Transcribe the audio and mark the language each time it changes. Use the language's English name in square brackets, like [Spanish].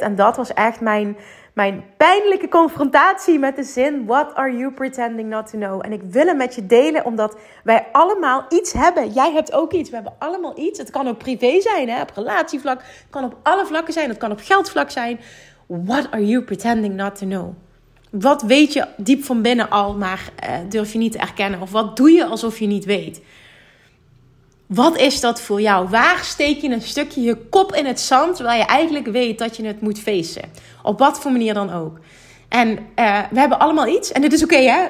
[Dutch] En dat was echt mijn pijnlijke confrontatie met de zin, [English] what are you pretending not to know? [Dutch] En ik wil hem met je delen, omdat wij allemaal iets hebben. Jij hebt ook iets, we hebben allemaal iets. Het kan ook privé zijn, hè? Op relatievlak. Het kan op alle vlakken zijn, het kan op geldvlak zijn. [English] What are you pretending not to know? [Dutch] Wat weet je diep van binnen al, maar durf je niet te erkennen? Of wat doe je alsof je niet weet? Wat is dat voor jou? Waar steek je een stukje je kop in het zand, terwijl je eigenlijk weet dat je het moet feesten? Op wat voor manier dan ook. En we hebben allemaal iets. En dit is oké, hè?